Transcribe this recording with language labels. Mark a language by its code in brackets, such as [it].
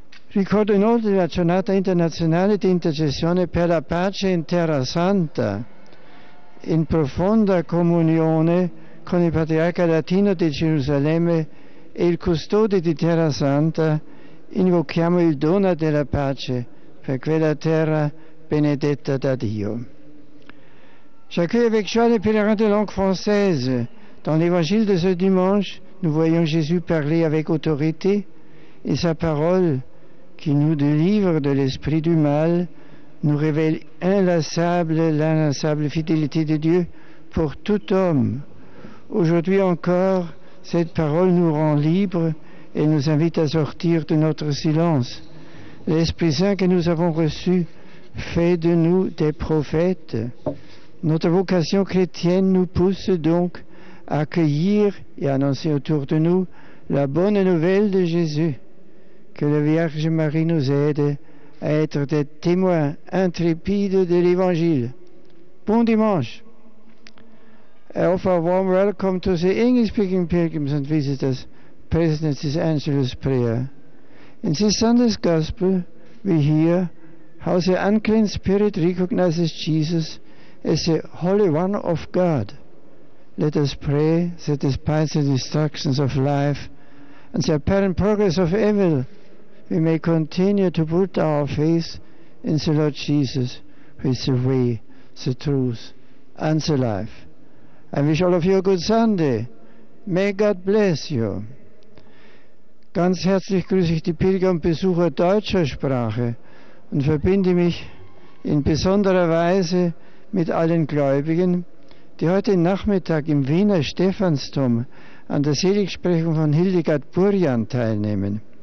[it] Ricordo inoltre la giornata internazionale di intercessione per la pace in Terra Santa, in profonda comunione con il Patriarca Latino di Gerusalemme e il custode di Terra Santa. Invochiamo il dono della pace per quella terra benedetta da Dio. [fr] J'accueille avec joie les pèlerins de langue française. Dans l'évangile de ce dimanche, nous voyons Jésus parler avec autorité et sa parole, qui nous délivre de l'esprit du mal, nous révèle l'inlassable fidélité de Dieu pour tout homme. Aujourd'hui encore, cette parole nous rend libres et nous invite à sortir de notre silence. L'Esprit Saint que nous avons reçu fait de nous des prophètes. Notre vocation chrétienne nous pousse donc à accueillir et annoncer autour de nous la bonne nouvelle de Jésus. Que la Vierge Marie nous aide à être des témoins intrépides de l'Évangile. Bon dimanche. [en] I offer a warm welcome to the English-speaking pilgrims and visitors present at this Angelus prayer. In this Sunday's Gospel, we hear how the unclean spirit recognizes Jesus as the Holy One of God. Let us pray that despite the distractions of life and the apparent progress of evil, we may continue to put our faith in the Lord Jesus, who is the way, the truth, and the life. I wish all of you a good Sunday. May God bless you. [de] Ganz herzlich grüße ich die Pilger und Besucher deutscher Sprache und verbinde mich in besonderer Weise mit allen Gläubigen, die heute Nachmittag im Wiener Stephansdom an der Seligsprechung von Hildegard Burian teilnehmen.